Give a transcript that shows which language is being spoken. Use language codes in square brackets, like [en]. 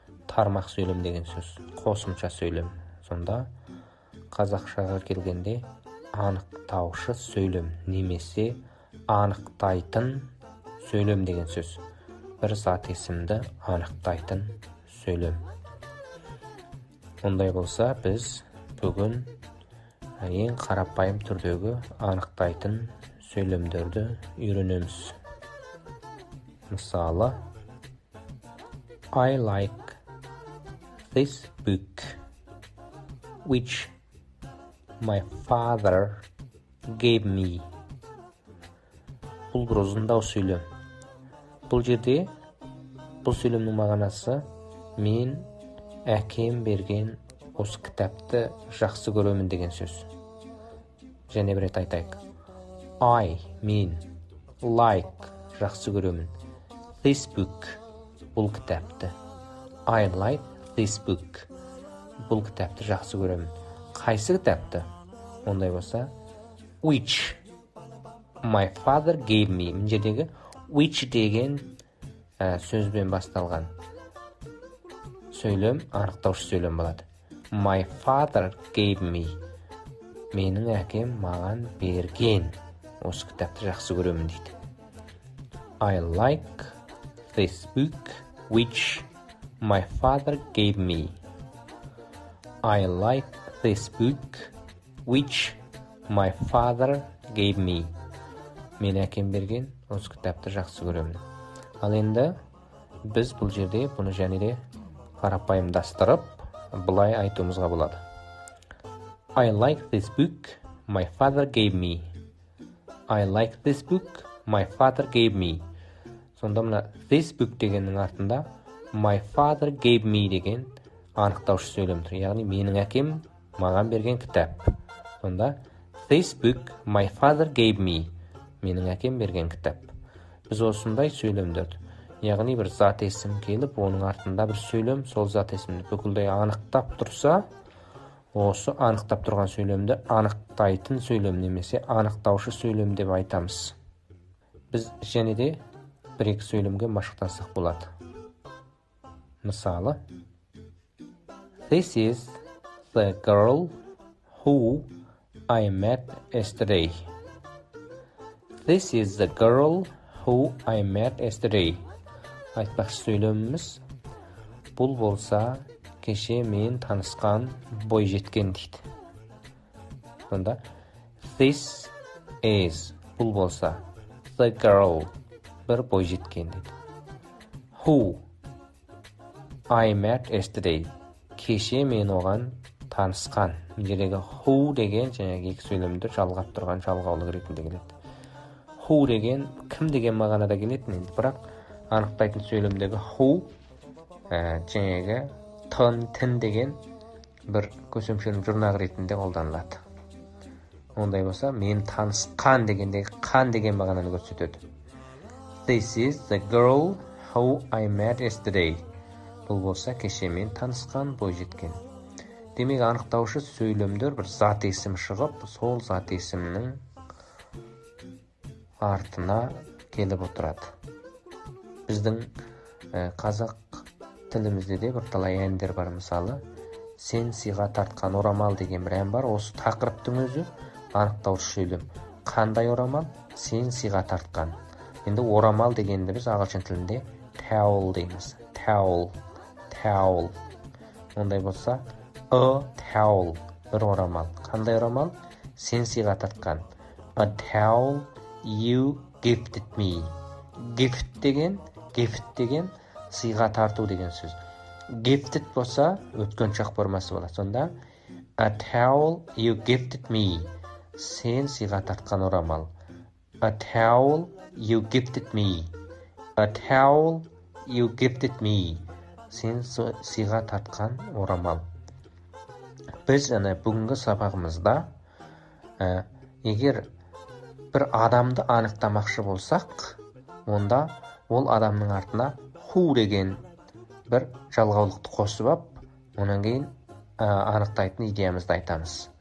[kk] Тармақ сөйлем деген сөз. Қосымша сөйлем. Сонда қазақшаға келгенде анықтаушы сөйлем немесе анықтайтын сөйлем деген сөз. Бір зат есімді анықтайтын сөйлем. Ондай болса, біз бүгін ең қарапайым түрдегі анықтайтын сөйлемдерді үйренеміз. Мысалы, [en] I like this book, which my father gave me. [kk] Бұл бір ұзындау сөйлем. Бұл жерде бұл сөйлемнің мағынасы мен әкем берген осы кітапты жақсы көремін деген сөз. Және бір рет айтайық. [en] I mean like [kk] жақсы көремін. [en] This book [kk] бұл кітапты. [en] I like this book. [kk] Бұл кітапты жақсы көремін. Қайсы кітапты? Ондай болса [en] which my father gave me. [kk] Мен жердегі which деген сөзбен басталған сөйлем, анықтаушы сөйлем болады. [en] My father gave me. [kk] Менің әкем маған берген. Осы кітапты жақсы көремін дейді. [en] I like this book which my father gave me. I like this book which my father gave me. [kk] Мен әкем берген. Осы кітапты жақсы көремін. Ал енді біз бұл жерде бұны және де қарапайымдастырып былай айтуымызға болады. [en] I like this book my father gave me. I like this book my father gave me. [kk] Сонда мына [en] this book [kk] дегеннің артында [en] my father gave me [kk] деген анықтаушы сөйлем тұр. Яғни менің әкем маған берген кітап. Сонда [en] this book my father gave me. [kk] Менің әкем берген кітап. Біз осындай сөйлемдерді, яғни бір зат есім келіп, оның артында бір сөйлем, сол зат есімді бүкілдей анықтап тұрса, осы анықтап тұрған сөйлемді анықтайтын сөйлем немесе анықтаушы сөйлем деп айтамыз. Біз және де бір-екі сөйлемге машықтансақ болады. Мысалы, [en] This is the girl who I met yesterday. This is the girl who I met yesterday. [kk] Айтпақшы сөйлеміміз, бұл болса, кеше мен танысқан бой жеткен дейді. Сонда, [en] this is, [kk] бұл болса, [en] the girl, [kk] бір бой жеткен дейді. [en] Who I met yesterday. [kk] Кеше мен оған танысқан. Мендегі who деген, және екі сөйлемді жалғап тұрған жалғаулы ретінде келеді. Who деген, кім деген мағанада келетін енді, бірақ анықтайтын сөйлемдегі who, жәнегі тон, тін деген бір көсемшенің жұрнағы ретінде қолданылады. Ондай болса, мен танысқан дегендегі қан деген мағананы көрсетеді. [en] This is the girl who I met yesterday. [kk] Бұл болса, кеше мен танысқан бой жеткен. Демек, анықтаушы сөйлемдер бір зат есім шығып, сол зат есімнің артына келіп отырады. Біздің қазақ тілімізде де бір талай әндер бар. Мысалы, сен сиға тартқан орамал деген бір ән бар. Осы тақырыптың өзі анықтаушы сөйлем. Қандай орамал? Сен сиға тартқан. Енді орамал дегенді біз ағылшын тілінде towel дейміз. Towel. Towel. Ондай болса, [en] a towel, [kk] бір орамал. Қандай орамал? Сен сыйға тартқан. [en] A towel you gifted me. [kk] Gift деген, gift деген сыйға тарту деген сөз. Gifted болса, өткен шақ формасы болады. Сонда, [en] a towel you gifted me. [kk] Сен сыйға тартқан орамал. [en] A towel you gifted me. A towel you gifted me. [kk] Сен сыйға тартқан орамал. Біз әне бүгінгі сабағымызда егер бір адамды анықтамақшы болсақ, онда ол адамның артына ху деген бір жалғаулықты қосып ап, онан кейін анықтайтын идеямызды айтамыз.